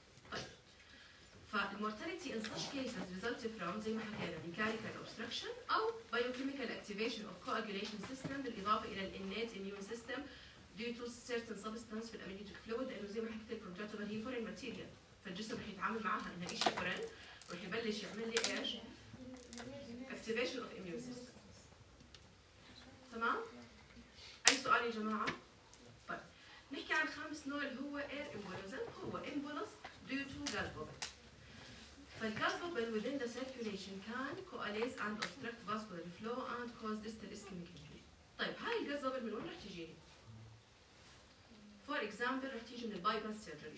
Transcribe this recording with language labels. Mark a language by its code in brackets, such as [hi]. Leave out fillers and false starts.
[ar] تمام؟ طيب [en] فالمورتاليتي in such cases result from [ar] زي ما حكينا ميكانيكال اوبستراكشن او بايوكيميكال اكتيفيشن اوف كواجوليشن سيستم بالاضافه الى الانيت اميون سيستم due to certain substance في الأمنيوتيك فلويد، لأنه زي ما حكيت لكم تعتبر هي فورين ماتيريال، فالجسم رح يتعامل معها إنها إشي فورين، رح يبلش يعمل لي إيش؟ activation of immune system. تمام؟ أي سؤال يا جماعة؟ طيب نحكي عن خامس نوع اللي هو air embolism، هو [en] embolus due to gas bubble. فالgas bubble within the circulation can coalesce and obstruct vascular flow and cause distal ischemic injury. [ar] طيب هاي الgas bubble من وين رح تجيني؟ For example رح تيجي من البايباس سيرجري.